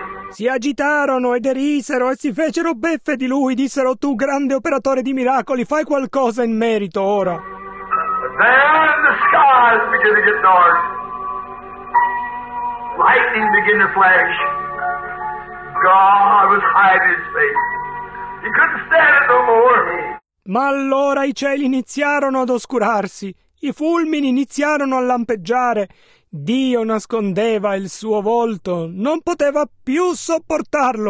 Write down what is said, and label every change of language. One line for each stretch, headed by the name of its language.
Italian: Si agitarono e derisero e si fecero beffe di lui, dissero, tu grande operatore di miracoli, fai qualcosa in merito ora.
English: Then the skies began to get dark. Lightning began to flash. God was hiding his face. He couldn't stand it no more.
Italian: Ma allora i cieli iniziarono ad oscurarsi, i fulmini iniziarono a lampeggiare, Dio nascondeva il suo volto, non poteva più sopportarlo.